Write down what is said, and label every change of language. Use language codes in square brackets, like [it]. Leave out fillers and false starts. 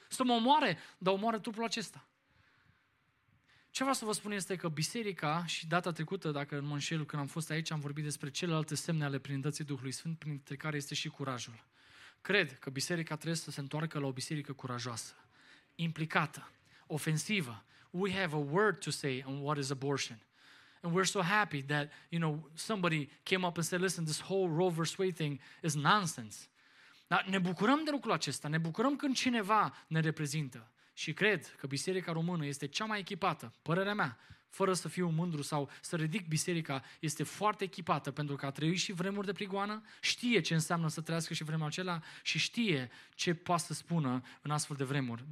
[ro] Să mă omoare, dar omoare trupul acesta. Ce vreau să vă spun este că biserica, și data trecută, dacă mă înșel, când am fost aici, am vorbit despre celelalte semne ale prindății Duhului Sfânt, printre care este și curajul. Cred că biserica trebuie să se întoarcă la o biserică curajoasă, implicată, ofensivă. [en] We have a word to say on what is abortion. And we're so happy that, you know, somebody came up and said, listen, this whole Roe vs. Wade thing is nonsense. [ro] Dar ne bucurăm de lucrul acesta, ne bucurăm când cineva ne reprezintă. Și cred că biserica română este cea mai echipată, părerea mea, fără să fiu mândru sau să ridic biserica, este foarte echipată pentru că a trăit și vremuri de prigoană, știe ce înseamnă să trăiască și vremea acela și știe ce poate să spună în astfel de vremuri.